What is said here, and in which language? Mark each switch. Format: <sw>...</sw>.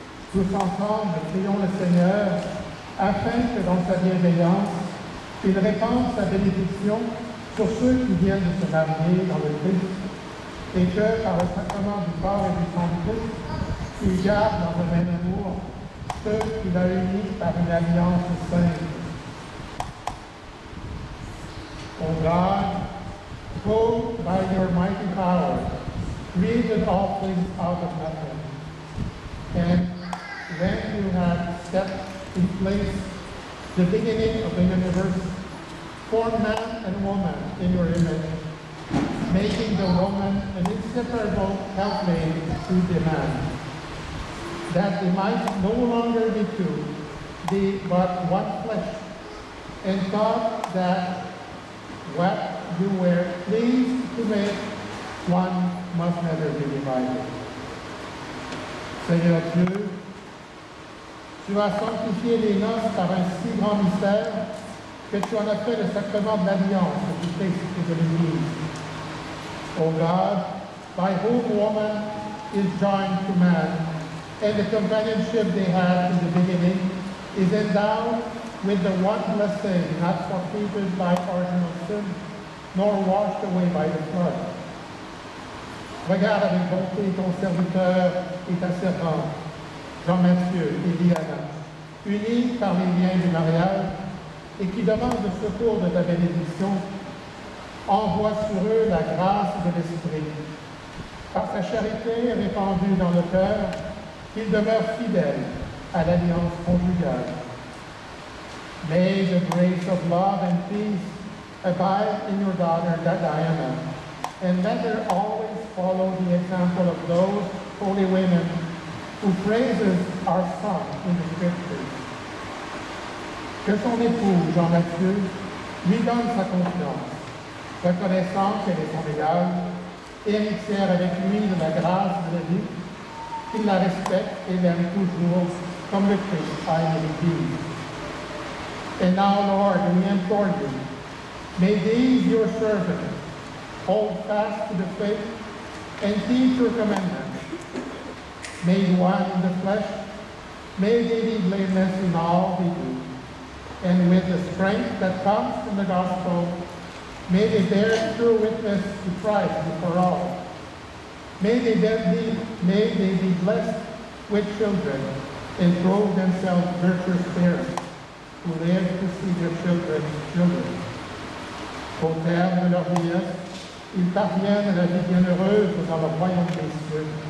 <fr>Tous ensemble, prions le Seigneur afin que dans sa bienveillance, il répande sa bénédiction sur ceux qui viennent de se marier dans le Christ et que par le sacrement du corps et du sang du Christ, il garde dans le même amour ceux qu'il a unis par une alliance sainte.</fr> <en>O God, who by your mighty power, created all things out of nothing. And when you have set in place the beginning of the universe, form man and woman in your image, making the woman an inseparable helpmate to the man, that they might no longer be two, be but one flesh, and thought that what you were pleased to make one must never be divided.</en> <fr>Seigneur Dieu, tu as sanctifié les noces par un si grand mystère que tu en as fait le sacrement de l'alliance du Christ et de l'Église.</fr> <en>O God, by whom woman is joined to man, and the companionship they had in the beginning is endowed with the one blessing not forfeited by original sin, nor washed away by the flood.</en> <fr>Regarde avec bonté ton serviteur et ta servante, Jean-Mathieu et Diana, unis par les liens du mariage et qui demandent le secours de ta bénédiction, envoie sur eux la grâce de l'Esprit. Par sa charité répandue dans le cœur, qu'ils demeurent fidèles à l'alliance conjugale.</fr> <en>May the grace of love and peace abide in your daughter, Diana, and let her always follow the example of those holy women who praises our Son in the Scriptures.</en> <fr>Que son époux, Jean-Mathieu, lui donne sa confiance, reconnaissant qu'elle est son égale, héritière avec lui de la grâce de la vie, qu'il la respecte et l'aime toujours comme le Christ a aimé l'Église.</fr> <en>And now, Lord, we implore you, may these, your servants, hold fast to the faith and teach your commandments. Made one in the flesh, may they be blameless in all they do. And with the strength that comes from the gospel, may they bear true witness to Christ before all. May they be blessed with children and prove themselves virtuous parents who live to see their children.</en> <fr>Au terme de leur vieillesse, ils parviennent à la vie bienheureuse dans le royaume des cieux.</fr>